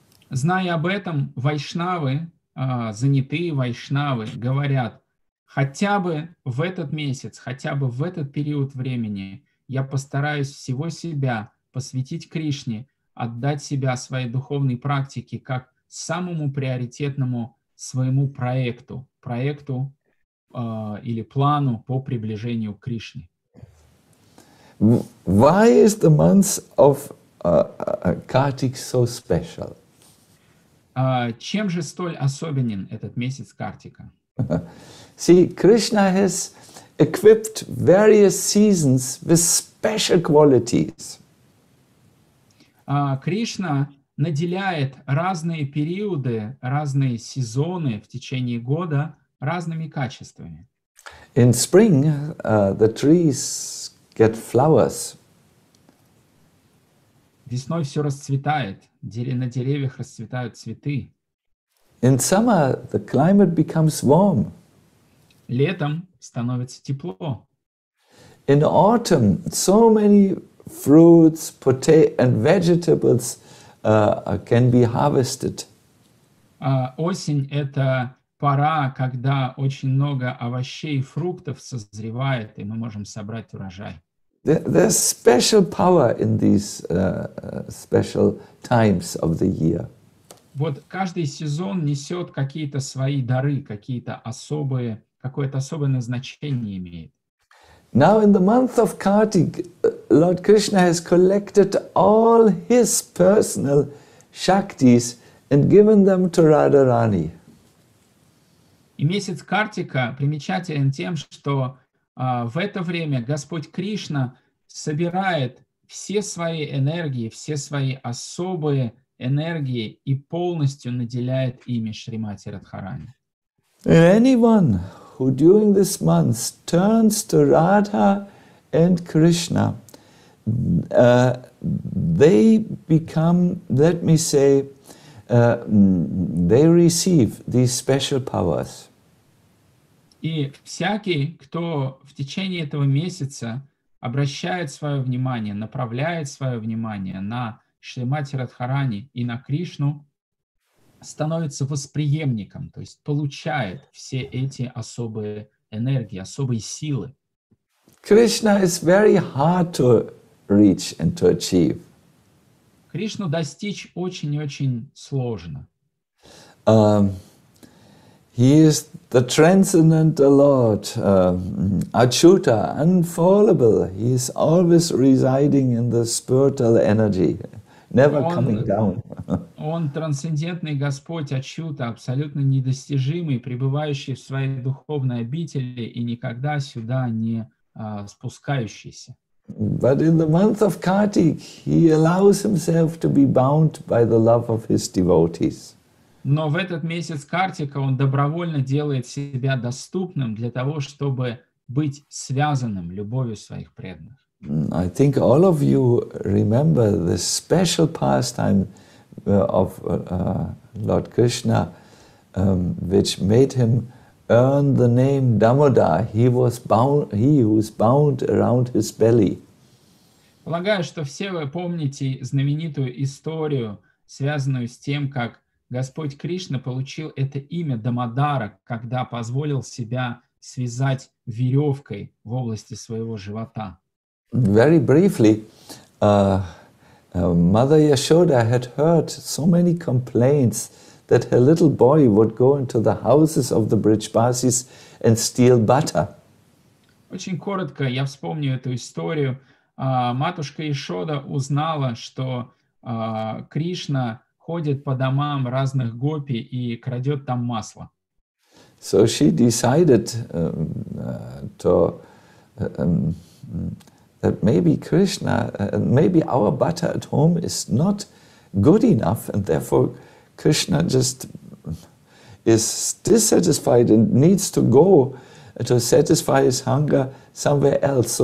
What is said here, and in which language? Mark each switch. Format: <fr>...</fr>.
<ru>Зная об этом, вайшнавы, занятые вайшнавы, говорят, хотя бы в этот месяц, хотя бы в этот период времени я постараюсь всего себя посвятить Кришне, отдать себя своей духовной практике как самому приоритетному своему проекту, проекту или плану по приближению к Кришне.</ru> <en>Why is the month of Kartik so special?</en> <ru>Чем же столь особенен этот месяц Картика?</ru> <en>See, Krishna has equipped various seasons with special qualities.</en> <ru>Кришна наделяет разные периоды, разные сезоны в течение года разными качествами.</ru> <en>In spring, the trees get flowers.</en> <ru>Весной все расцветает, на деревьях расцветают цветы.</ru> <en>In summer, the climate becomes warm.</en> <ru>Летом становится тепло.</ru> <en>In autumn, so many fruits, potatoes and vegetables can be harvested.</en> <ru>Осень – это пора, когда очень много овощей и фруктов созревает, и мы можем собрать урожай.</ru> <en>There's special power in these special times of the year.</en> <ru>Вот каждый сезон несет какие-то свои дары, какие-то особые, какое-то особое назначение имеет.</ru> <en>Now in the month of Kartik, Lord Krishna has collected all his personal shaktis and given them to Radharani.</en> <ru>И месяц Картика примечателен тем, что в это время Господь Кришна собирает все свои энергии, все свои особые энергии и полностью наделяет ими Шримати Радхарани.</ru> <en>Anyone who during this month turns to Radha and Krishna, they become, let me say, they receive these special powers.</en> <ru>И всякий, кто в течение этого месяца обращает свое внимание, направляет свое внимание на Шримати Радхарани и на Кришну, становится восприемником, то есть получает все эти особые энергии, особые силы.</ru> <en>Krishna is very hard to reach and to achieve.</en> <ru>Кришну достичь очень-очень сложно.</ru> <en>He is the transcendental Lord, Achyuta, unfallable. He is always residing in the spiritual energy, never coming down.</en> <ru>Он трансцендентный Господь, Ачюта, абсолютно недостижимый, пребывающий в своей духовной обители и никогда сюда не спускающийся.</ru> <en>But in the month of Kartik, he allows himself to be bound by the love of his devotees.</en> <ru>Но в этот месяц Картика он добровольно делает себя доступным для того, чтобы быть связанным любовью своих преданных.</ru> <en>I think all of you remember the special pastime of Lord Krishna, which made him earn the name Damodar. He was bound around his belly.</en> <ru>Полагаю, что все вы помните знаменитую историю, связанную с тем, как Господь Кришна получил это имя Дамодара, когда позволил себя связать веревкой в области своего живота.</ru> <en>Very briefly, Mother Yashoda had heard so many complaints that her little boy would go into the houses of the Brijbasis and steal butter.</en> <ru>Очень коротко я вспомню эту историю. Матушка Яшода узнала, что Кришна ходит по домам разных гопи и крадет там масло.</ru> <en>So she decided that maybe Krishna, maybe our butter at home is not good enough, and therefore Krishna just is dissatisfied and needs to go to satisfy his hunger somewhere else.</en>